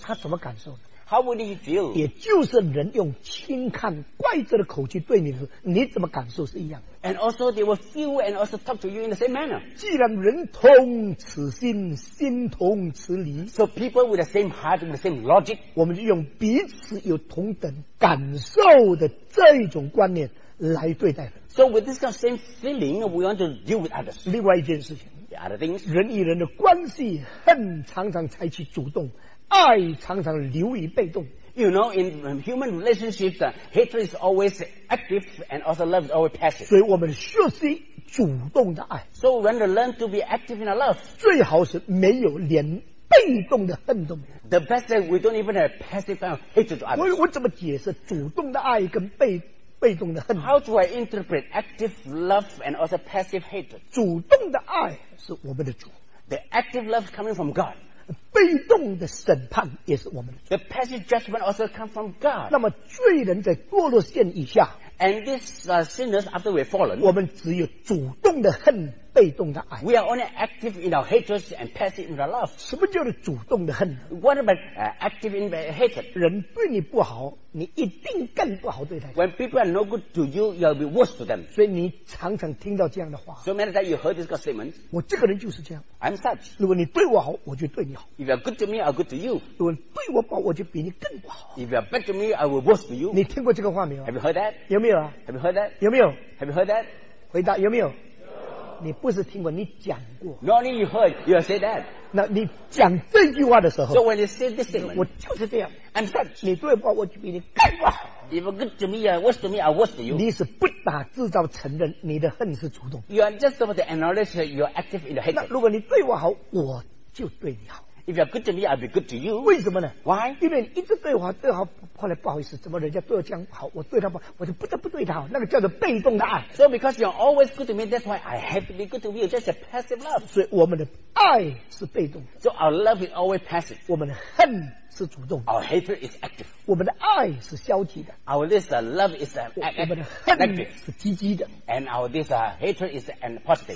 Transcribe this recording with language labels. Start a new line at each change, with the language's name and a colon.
Chinese: 他怎么感受的？
English: How would you feel?
Chinese: 也就是人用轻看怪责的口气对你的时候，你怎么感受是一样的。
English: And also they will feel and also talk to you in the same manner.
Chinese: 既然人同此心，心同此理。
English: So people with the same heart and the same logic.
Chinese: 我们就用彼此有同等感受的这种观念来对待人。
English: So with this kind of same feeling, we want to deal with others.
Chinese: 另外一件事情。
English: The other things.
Chinese: 人与人的关系，恨常常采取主动。爱常常流于被动。
English: You know, in human relationships, hatred is always active and also love is always passive.
Chinese: 所以我们学习主动的爱。
English: So when we learn to be active in our love,
Chinese: 最好是没有连被动的恨都没有。
English: The best thing, we don't even have passive kind of hatred to others.
Chinese: 我怎么解释主动的爱跟被动的恨？
English: How do I interpret active love and also passive hatred?
Chinese: 主动的爱是我们的主。
English: The active love is coming from God.
Chinese: 被动的审判也是我们的。
English: The passive judgment also comes from God.
Chinese: 那么罪人在堕落线以下
English: ，and these sinners after we've fallen，
Chinese: 我们只有主动的恨，被动的爱。
English: We are only active in our hatred and passive in our love.
Chinese: 什么叫做主动的恨
English: ？What about active in hatred？
Chinese: 人对你不好，你一定更不好对待。
English: When people are no good to you, you'll be worse to them.
Chinese: 所以你常常听到这样的话。
English: So many times you heard this statement.
Chinese: 我这个人就是这样。
English: I'm such.
Chinese: 如果你对我好，我就对你好。
English: If you're good to me, I'm good to you.
Chinese: 如果你对我不好，我就比你更不好。
English: If you're bad to me, I will worse to you.
Chinese: 你听过这个话没有
English: ？Have you heard that？
Chinese: 有没有啊
English: ？Have you heard that？
Chinese: 有没有
English: ？Have you heard that？
Chinese: 回答有没有？你不是听过，你讲过。
English: Not only you heard, you have said that.
Chinese: 那你讲这句话的时候
English: ，So when you say this statement,
Chinese: 我就是这样。
English: I'm such.
Chinese: 你对我，我就比你更不好。
English: If you're good to me, you're worse to me, I'm worse to you.
Chinese: 你是不打自招承认你的恨是主动。
English: You are just about to acknowledge that you're active in the hatred.
Chinese: 那如果你对我好，我就对你好。
English: If you're good to me, I'll be good to you.
Chinese: 为什么呢
English: ？Why?
Chinese: 因为你一直对我好，对我好，后来不好意思，怎么人家对我这样好，我对他不好，我就不得不对他好，那个叫做被动的爱。
English: So because you're always good to me, that's why I have to be good to you. Just a passive love.
Chinese: 所以我们的爱是被动的。
English: So our love is always passive.
Chinese: 我们的恨是主动的。
English: Our hatred is active.
Chinese: 我们的爱是消极的。
English: Our this love is active.
Chinese: 我们的恨是积极的。
English: And our this hatred is positive.